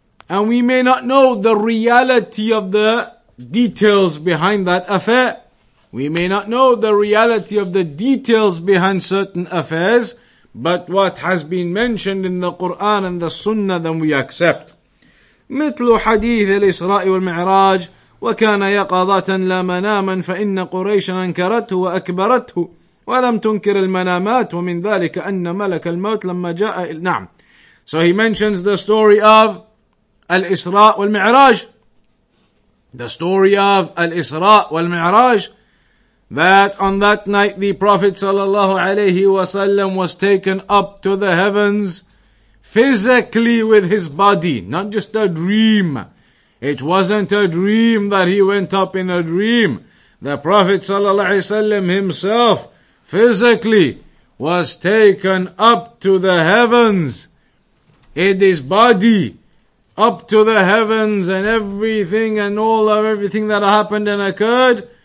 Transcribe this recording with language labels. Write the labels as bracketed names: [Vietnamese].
[English] And we may not know the reality of the details behind that affair. We may not know the reality of the details behind certain affairs, but what has been mentioned in the Quran and the Sunnah, then we accept. [Arabic] مثل حديث الإسراء والمعراج وكان يقظة لا مناما فإن قريش أنكرته وأكبرته ولم تنكر المنامات ومن ذلك أن ملك الموت لما جاء نعم. [English] So he mentions the story of الإسراء والمعراج. The story of الإسراء والمعراج. That on that night the Prophet sallallahu alayhi wasallam was taken up to the heavens physically with his body, not just a dream. It wasn't a dream that he went up in a dream. The Prophet sallallahu alayhi wasallam himself physically was taken up to the heavens in his body, up to the heavens, and everything and all of everything that happened and occurred.